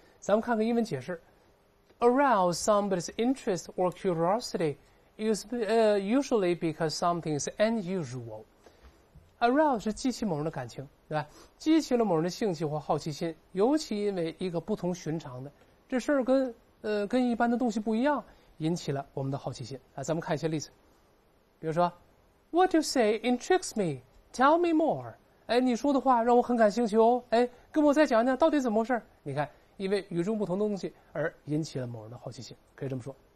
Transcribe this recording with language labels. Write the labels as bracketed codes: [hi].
[zh] 咱们看看英文解释， [en] arouse somebody's interest or curiosity usually because something is unusual. [zh] arouse 是激起某人的感情，对吧？激起了某人的兴趣或好奇心，尤其因为一个不同寻常的，这事儿跟一般的东西不一样，引起了我们的好奇心。咱们看一些例子。比如说 [en] what you say intrigues me, tell me more. [zh] 你说的话让我很感兴趣哦，跟我再讲讲到底怎么回事。你看，因为与众不同的东西而引起了某人的好奇心，可以这么说。